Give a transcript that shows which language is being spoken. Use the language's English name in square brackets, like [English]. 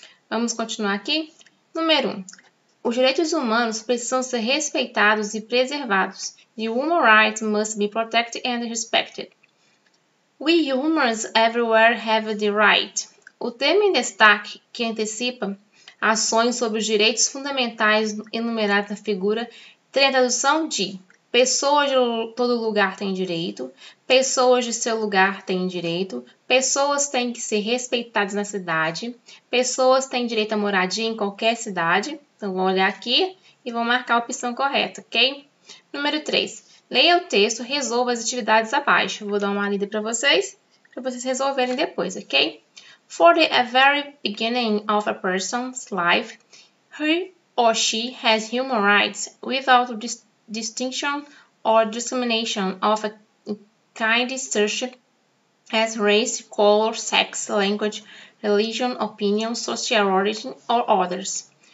[Portuguese] Vamos continuar aqui? Número 1. Os direitos humanos precisam ser respeitados e preservados. [English] The human rights must be protected and respected. We humans everywhere have the right. [Portuguese] O termo em destaque, que antecipa ações sobre os direitos fundamentais enumerados na figura, tem a tradução de pessoas de todo lugar têm direito, pessoas de seu lugar têm direito, pessoas têm que ser respeitadas na cidade, pessoas têm direito à moradia em qualquer cidade. Então, vou olhar aqui e vou marcar a opção correta, ok? Número 3. Leia o texto, resolva as atividades abaixo. Vou dar uma lida para vocês resolverem depois, ok? [English] For the very beginning of a person's life, he or she has human rights without distinction or discrimination of a kind such as race, color, sex, language, religion, opinion, social origin, or others.